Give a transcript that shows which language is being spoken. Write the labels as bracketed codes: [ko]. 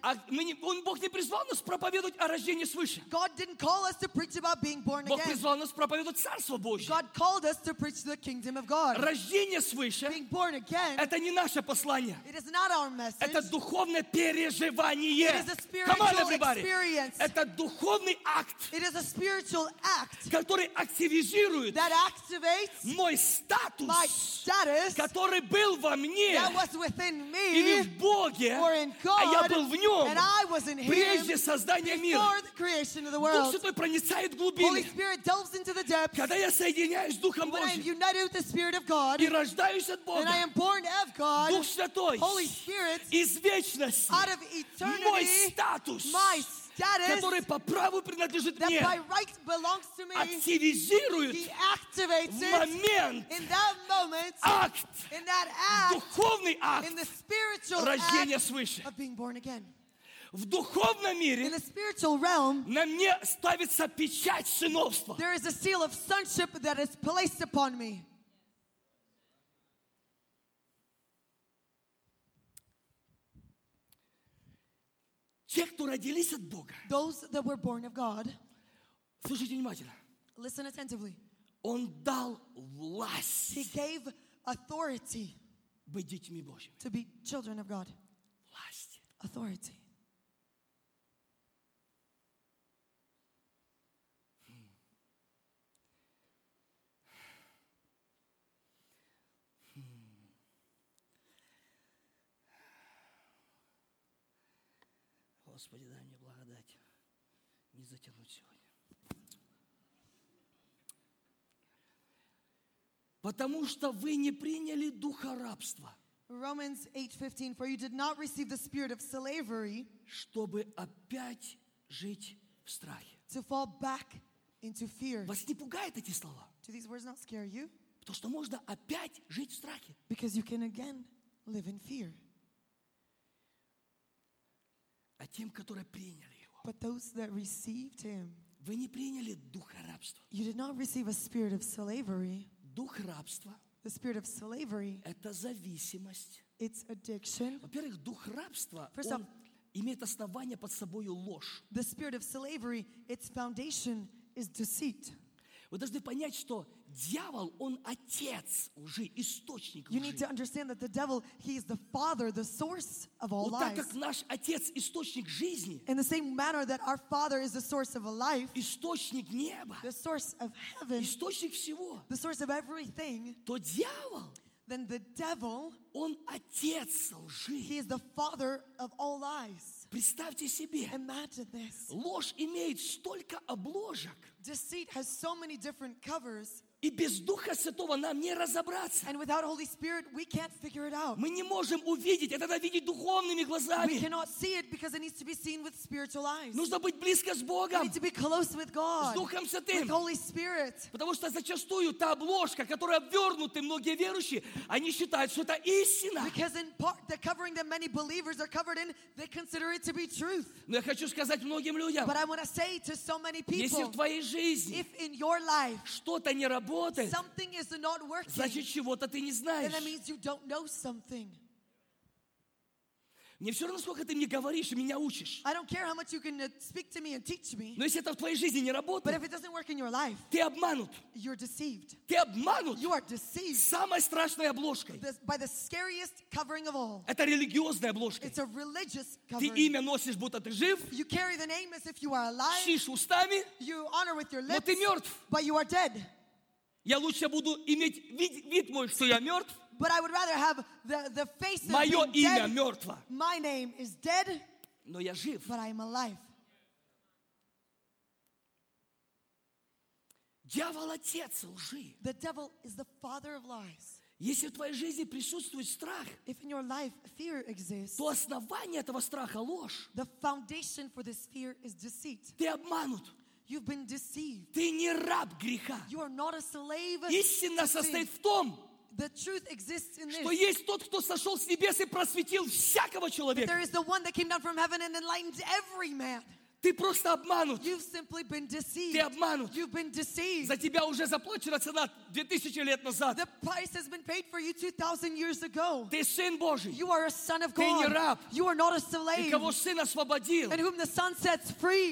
[ru] А Бог не призвал нас проповедовать о рождении свыше. [en] God didn't call us to preach about being born again. [ru] Бог призвал нас проповедовать Царство Божье. [en] God called us to preach the kingdom of God. [ru] Рождение свыше. [en] Being born again. [ru] Это не наше послание. [en] It is not our message. [ru] Это духовное переживание. [en] It is a spiritual experience. [ru] Это духовный акт. [en] It is a spiritual act. [ru] Который активизирует. [en] That activates [ru] мой статус, [en] my status, [ru] который был во мне, [en] that was within me, [ru] или в Боге, [en] or in God, [ru] а я был в нем, [en] and I was in him, [ru] прежде создания [en] before [ru] мира. [en] The creation of the world. [ru] Дух Святой проницает глубины. [en] Holy Spirit delves into the depths. [ru] Когда я соединяюсь с Духом [en] when [ru] Божьим, [en] I am united with the Spirit of God, [ru] и рождаюсь от Бога, [en] and I am born of God, [ru] Дух Святой, [en] Holy Spirit, [ru] из вечности, [en] out of eternity, [ru] мой статус, [en] my status, [ru] который по праву принадлежит мне, [en] right me, [ru] активизирует в момент акт, духовный акт [en] in the spiritual [ru] рождения [en] act [ru] свыше. [en] Of being born again. [ru] В духовном мире [en] in the spiritual realm, [ru] на мне ставится печать сыновства. [en] There is a seal of sonship that is placed upon me. [ru] Те, кто родились от Бога. [en] Those that were born of God. [ru] Слушайте внимательно. [en] Listen attentively. [ru] Он дал власть. [en] He gave authority. [ru] Быть детьми Божьими. [en] To be children of God. [ru] Власть. [en] Authority. [ru] Господи, дай мне благодать не затянуть сегодня. Потому что вы не приняли духа рабства. [en] Romans 8:15, for you did not receive the spirit of slavery, [ru] чтобы опять жить в страхе. [en] To fall back into fear. [ru] Вас не пугают эти слова? [en] Do these words not scare you? [ru] Потому что можно опять жить в страхе. [en] Because you can again live in fear. [ru] А тем, которые приняли его. [en] But those that received him. [ru] Вы не приняли духа рабства. [en] You did not receive a spirit of slavery. [ru] Дух рабства. [en] The spirit of slavery. [ru] Это зависимость. [en] It's addiction. [ru] Во-первых, дух рабства, [en] first [ru] он all, имеет основание под собою ложь. [en] The spirit of slavery, its foundation is deceit. [ru] Вы должны понять, что дьявол, он отец лжи, источник лжи. [en] You need to understand that the devil, he is the father, the source of all lies. [ru] Вот так как наш отец источник жизни. [en] In the same manner that our father is the source of a life. [ru] Источник неба. [en] The source of heaven. [ru] Источник всего. [en] The source of everything. [ru] То дьявол. [en] Then the devil. [ru] Он отец лжи. [en] He is the father of all lies. [ru] Представьте себе. [en] Imagine this. [ru] Ложь имеет столько обложек. [en] Deceit has so many different covers. [ru] И без Духа Святого нам не разобраться. [en] And without Holy Spirit, we can't figure it out. [ru] Мы не можем увидеть. Это надо видеть духовными глазами. [en] We cannot see it because it needs to be seen with spiritual eyes. [ru] Нужно быть близко с Богом. [en] We need to be close with God. [ru] С Духом Святым. [en] With Holy Spirit. [ru] Потому что зачастую та обложка, которая обвернута, многие верующие, они считают, что это истина. [en] Because in part, the covering that many believers are covered in, they consider it to be truth. [ru] Но я хочу сказать многим людям. [en] But I want to say to so many people. [ru] Если в твоей жизни. [en] If in your life. [ru] Что-то не работает. [en] Something is not working. [ru] Значит, чего-то ты не знаешь. [en] That means you don't know something. [ru] Мне все равно, сколько ты мне говоришь и меня учишь. [en] I don't care how much you can speak to me and teach me. [ru] Но если это в твоей жизни не работает, [en] but if it doesn't work in your life, [ru] ты обманут. [en] You're deceived. [ru] Ты обманут. [en] You are deceived. [ru] Самой страшной обложкой. [en] By the scariest covering of all. [ru] Это религиозная обложка. [en] It's a religious covering. [ru] Ты имя носишь, будто ты жив. [en] You carry the name as if you are alive. [ru] Чтишь устами. [en] You honor with your lips. [ru] Но ты мертв. [en] But you are dead. [ru] Я лучше буду иметь вид мой, что я мертв. [en] But I would rather have the face of [ru] мое [en] being [ru] имя [en] dead. [ru] Мертво. [en] My name is dead. [ru] Но я жив. [en] But I am alive. [ru] Дьявол отец лжи. [en] The devil is the father of lies. [ru] Если в твоей жизни присутствует страх, [en] if in your life fear exists, [ru] то основание этого страха ложь. [en] The foundation for this fear is deceit. [ru] Ты обманут. [en] You've been deceived. [ru] Ты не раб греха. [en] You are not a slave. [ru] Истина состоит в том, [en] the truth exists in this. [ru] Что есть тот, кто сошел с небес и просветил всякого человека. [en] There is the one that came down from heaven and enlightened every man. [ru] Ты просто обманут. [en] You've simply been deceived. [ru] Ты обманут. [en] You've been deceived. [ru] За тебя уже заплачена цена 2000 лет назад. [en] The price has been paid for you 2000 years ago. [ru] Ты сын Божий. [en] You are a son of God. [ru] Ты не раб. [en] You are not a slave. [ru] И кого сын освободил, [en] and whom the son sets free,